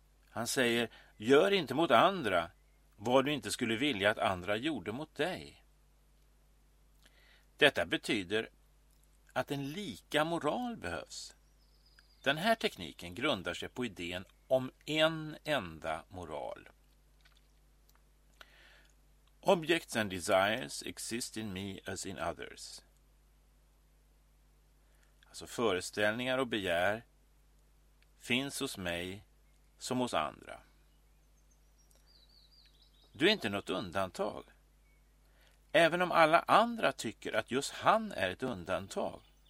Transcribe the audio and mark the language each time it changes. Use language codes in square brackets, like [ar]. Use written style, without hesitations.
[sv] Han säger, gör inte mot andra vad du inte skulle vilja att andra gjorde mot dig. Detta betyder att en lika moral behövs. Den här tekniken grundar sig på idén om en enda moral. [en] Objects and desires exist in me as in others. [sv] Alltså föreställningar och begär finns hos mig som hos andra. Du är inte något undantag. Även om alla andra tycker att just han är ett undantag.